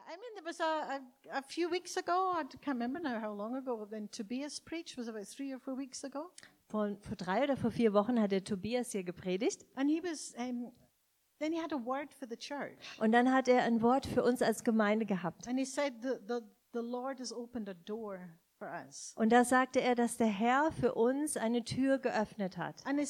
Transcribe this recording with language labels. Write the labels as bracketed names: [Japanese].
[English] mean, there was a few weeks ago, I can't remember now how long ago, when Tobias preached, was about 3 or 4 weeks ago. [German] Vor 3 oder vor 4 Wochen hat der Tobias hier gepredigt. [English] And he was, then he had a word for the church. [German] Und dann hat er ein Wort für uns als Gemeinde gehabt. [English] And he said the Lord has opened a door. [German] Und da sagte er, dass der Herr für uns eine Tür geöffnet hat.